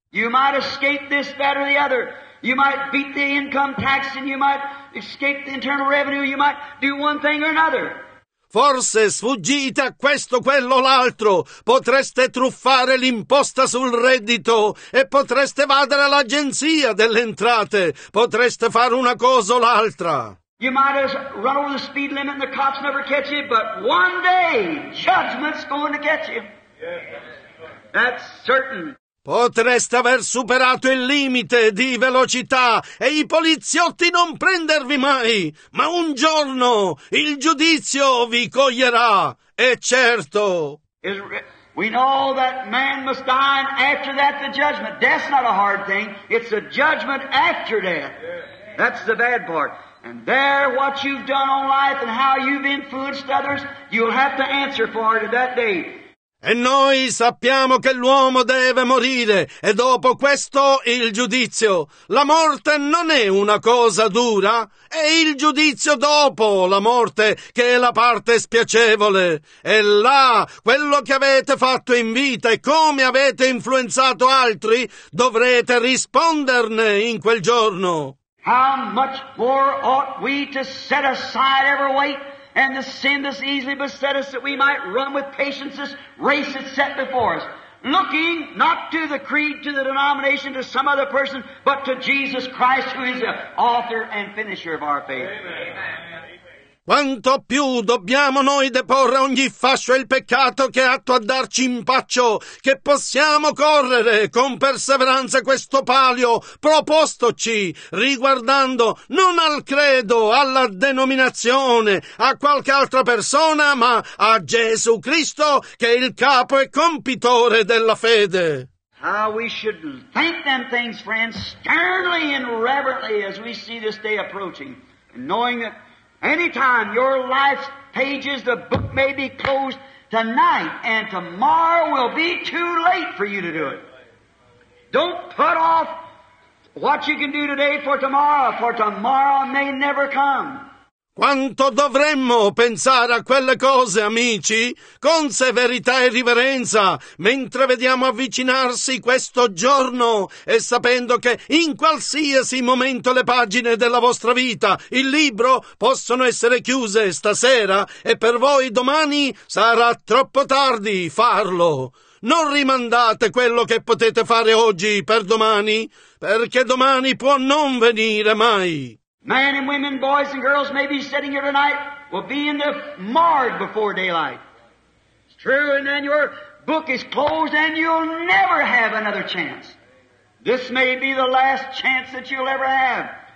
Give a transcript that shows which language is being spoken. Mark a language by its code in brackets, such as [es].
[en] You might escape this, that or the other. You might beat the income tax and you might escape the internal revenue. You might do one thing or another. [it] Forse sfuggite a questo, quello o l'altro, potreste truffare l'imposta sul reddito e potreste evadere all'agenzia delle entrate, potreste fare una cosa o l'altra. [en] You might as run over the speed limit and the cops never catch you, but one day judgment's going to catch you. That's certain. [it] Potreste aver superato il limite di velocità e i poliziotti non prendervi mai, ma un giorno il giudizio vi coglierà, è certo. [en] We know that man must die and after that the judgment. Death's not a hard thing, it's a judgment after death. That's the bad part. And there, what you've done on life and how you've influenced others, you'll have to answer for it at that day. [it] E noi sappiamo che l'uomo deve morire, e dopo questo il giudizio. La morte non è una cosa dura, è il giudizio dopo la morte che è la parte spiacevole. E là, quello che avete fatto in vita e come avete influenzato altri, dovrete risponderne in quel giorno. [en] How much more ought we to set aside every weight? And the sin that's easily beset us, that we might run with patience this race that's set before us, looking not to the creed, to the denomination, to some other person, but to Jesus Christ, who is the author and finisher of our faith. Amen. [it] Quanto più dobbiamo noi deporre ogni fascio e il peccato che è atto a darci impaccio, che possiamo correre con perseveranza questo palio propostoci, riguardando non al credo, alla denominazione, a qualche altra persona, ma a Gesù Cristo, che è il capo e compitore della fede. [en] How we should think them things, friends, sternly and reverently as we see this day approaching, knowing that anytime your life's pages, the book may be closed tonight, and tomorrow will be too late for you to do it. Don't put off what you can do today for tomorrow may never come. [it] Quanto dovremmo pensare a quelle cose, amici, con severità e riverenza, mentre vediamo avvicinarsi questo giorno e sapendo che in qualsiasi momento le pagine della vostra vita, il libro, possono essere chiuse stasera e per voi domani sarà troppo tardi farlo. Non rimandate quello che potete fare oggi per domani, perché domani può non venire mai. [en] Men and women, boys and girls may be sitting here tonight, will be in the morgue before daylight. It's true, and then your book is closed and you'll never have another chance. This may be the last chance that you'll ever have.